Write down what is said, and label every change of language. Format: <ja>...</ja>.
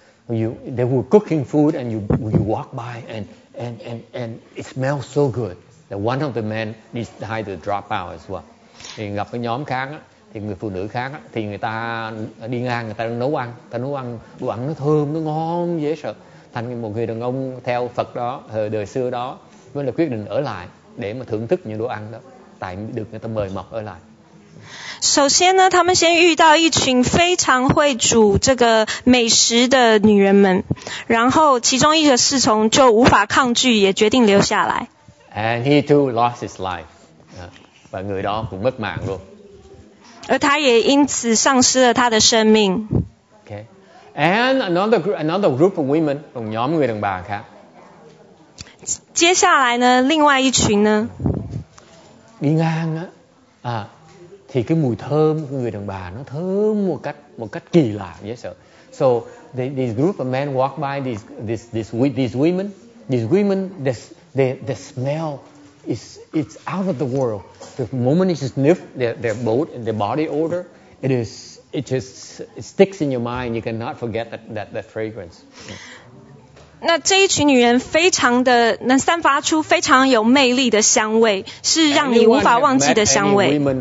<en>They were cooking food and you walk by and it smells so good that one of the men decided to drop out as well.</en> <vi>Thì gặp cái nhóm khác thì người phụ nữ khác thì người ta đi ngang người ta đang nấu ăn đồ ăn nó thơm nó ngon dễ sợ. Thành một người đàn ông theo Phật đó đời xưa đó mới là quyết định ở lại để mà thưởng thức những đồ ăn đó tại được người ta mời mọc ở lại.</vi> <zh>首先呢，他们先遇到一群非常会煮这个美食的女人们，然后其中一个侍从就无法抗拒，也决定留下来。</zh> <en>And he too lost his life.</en> <vi>把người đó cũng mất mạng luôn.</vi> <zh>而他也因此丧失了他的生命。</zh> <en>Okay. And another group of women,</en> <vi>同nhóm người đàn bà khác.</vi> <zh>接下来呢，另外一群呢？</zh> <vi>đi ngang á. Thì cái mùi thơm của người đàn bà nó thơm một cách kỳ lạ dễ sợ.</vi> <en>So these group of men walk by these women the smell it's out of the world. The moment you sniff their body odor, it sticks in your mind. You cannot forget that fragrance.</en> <zh>那这一群女人非常的能散发出非常有魅力的香味，是让你无法忘记的香味。</zh>